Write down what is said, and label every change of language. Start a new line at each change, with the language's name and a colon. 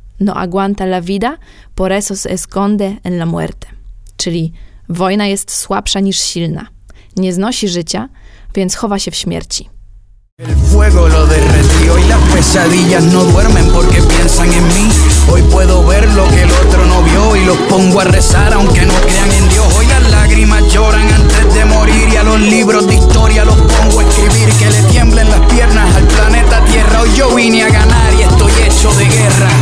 Spanish: no aguanta la vida, por eso se esconde en la muerte.
Polish: Czyli wojna jest słabsza niż silna. Nie znosi życia, więc chowa się w śmierci.
Spanish: El fuego lo derretió y las pesadillas no duermen porque piensan en mí. Hoy puedo ver lo que el otro no vio y los pongo a rezar aunque no crean en Dios. Hoy las lágrimas lloran antes de morir y a los libros de historia los pongo a escribir. Que le tiemblen las piernas al planeta Tierra. Hoy yo vine a ganar y estoy hecho de guerra.